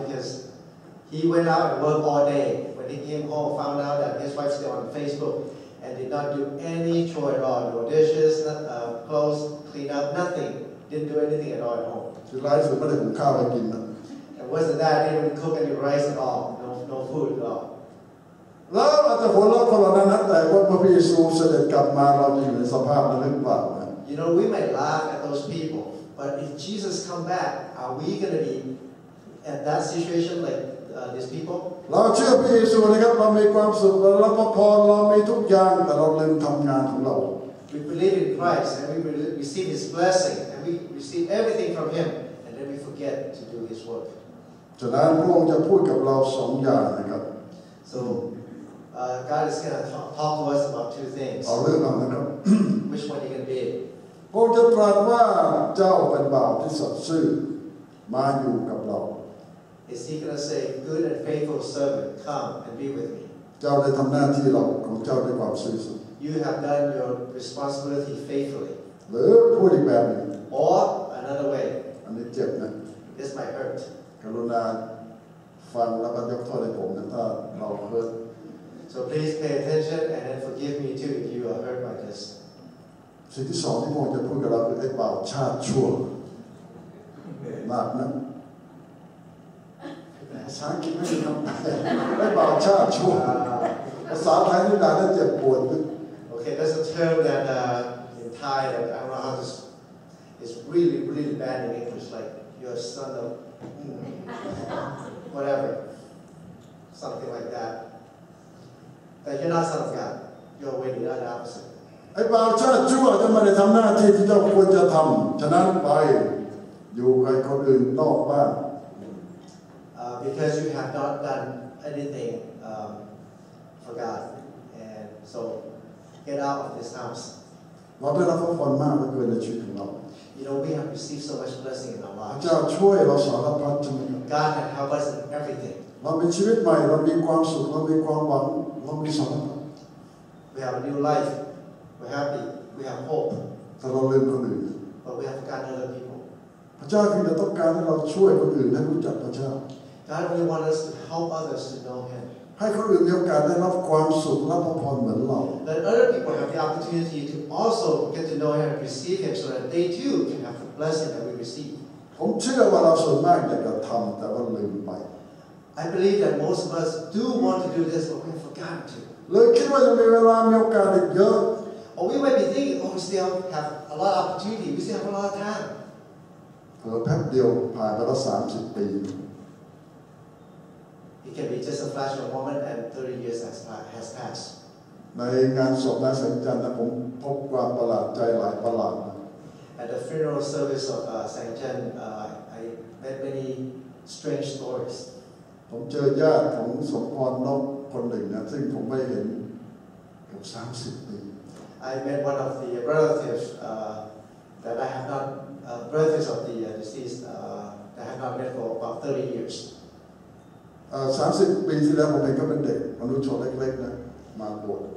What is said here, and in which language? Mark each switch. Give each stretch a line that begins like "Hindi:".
English: Because he went out and worked all day. When he came home, found out that his wife's still on Facebook and did not do any chore at all. No dishes, clothes, clean up, nothing. Didn't do anything at all at home. The wife was not even cooking. And worse than that, he didn't cook any rice at all. No food at all.
Thai: แล้วอาจจะหัวเราะคนเรานั้นแต่ว่าพระเยซูเสด็จกลับมาเราอยู่ในสภาพนั้นหรือเปล่า
English: You know we might laugh at those people but if Jesus come back are we going to be at that situation like these people
Thai: เราเชื่อพระเยซูนะครับเรามีความสุขเรารับพระพรเรามีทุกอย่างแต่เราลืมทำงานของเรา
English: We believe in Christ and we receive His blessing and we receive everything from Him and then we forget to do His work
Thai: ฉะนั้นพระองค์จะพูดกับเราสองอย่างนะครับ
English: SoGod is going to talk to us about two things.
Thai: เอาเรื่องนั้นนะ
English: Which one are you going to be?
Thai: พระองค์จะตรัสว่าเจ้าเป็นบ่าวที่สัตย์ซื่อมาอยู่กับเรา
English: Is he going to say, good and faithful servant, come and be with me?
Thai: เจ้าได้ทำหน้าที่ของเจ้าด้วยความซื่อสัตย์
English: You have done your responsibility faithfully.
Thai: หรือพูดอีกแบบนึง
English: Or another way.
Thai: อันนี้เจ็บนะ
English: This might hurt.
Thai: กรุณาฟังแล้วก็ยกโทษให้ผมนะถ้าเราเคย
English: So please pay attention and then forgive me too if you are hurt by this.
Thai: สิ่งที่สองที่พระองค์จะพูดกับเราคือไอ้บ่าวชาติชั่วมากนะภาษาอังกฤษไม่ได้ทำได้ไอ้บ่าวชาติชั่วภาษาไทยนี่ด่าได้เจ็บปวดนะ
English: Okay, that's a term that in Thai that I don't know how to is really really bad in English like you're a son of whatever something like that.
Thai: แต่ยังน่าสังเกต
English: you're way the other opposite
Thai: ไอ้บ่าวชาติชั่วจะไม่ได้ทำหน้าที่ที่เจ้าควรจะทำฉะนั้นไปอยู่กับคนอื่นนอกบ้าน
English: because you have not done anything for God and so get out of this house
Thai: เราได้รับพรมากเกินในชีวิตของเรา
English: you know we have received so much blessing in our lives
Thai: เจ้าช่วยเราสารพัดจง
English: God can help us in everything
Thai: เรามีชีวิตใหม่เรามีความสุขเรามีความหวังเรามีสันติ
English: We have a new life We're happy We have hope
Thai: แต่เราลืมคนอื่น
English: But we have forgotten other people
Thai: พระเจ้าคือจะต้องการให้เราช่วยคนอื่นให้รู้จักพระเจ้า
English: God really wants us to help others to know Him
Thai: ให้คนอื่นมีโอกาสได้รับความสุขรับพระพรเหมือนเรา
English: Let other people have the opportunity to also get to know Him and receive Him so that they too can have the blessing that we receive
Thai: ผมเชื่อว่าเราส่วนมากอยากจะทำแต่ว่าลืมไป
English: I believe that most of us do want to do this, but we've forgotten to.
Thai: หรือคิดว่ายังมีเวลามีโอกาสอีกเยอะ
English: Or we might be thinking, oh, we still have a lot of opportunity. We still have a lot of time.
Thai: เผื่อแป๊บเดียวผ่านไปแล้ว30ปี
English: It can be just a flash of a moment and 30 years has passed.
Thai: ในงานศพนายสัญจันทร์นะผมพบความประหลาดใจหลายประหลาด
English: At the funeral service of Sanjan, I met many strange stories.
Thai: ผมเจอญาติของสมพรนกคนหนึ่งนะซึ่งผมไม่เห็นเกือบ30ปี
English: I met one of the relatives that I have not relatives of the deceased that I have not met for about 30 years
Thai: 30ปีที่แล้วผมเองก็เป็นเด็กมนุษย์ชนเล็กๆนะมาบวช